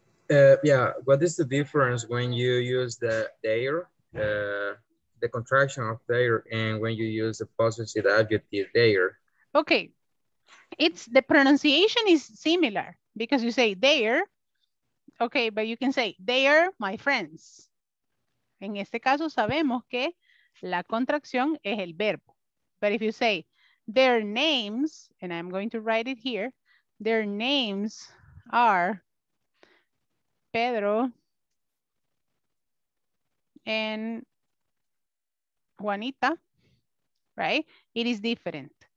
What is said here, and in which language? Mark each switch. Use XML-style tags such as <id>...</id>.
<en>What is the difference when you use the their? The contraction of there, and when you use the possessive adjective there. Okay, it's the pronunciation is similar because you say there, okay, but you can say they are my friends.</en> <es>En este caso sabemos que la contracción es el verbo.</es> <en>But if you say their names, and I'm going to write it here, their names are Pedro and Juanita, right? It is different.</en>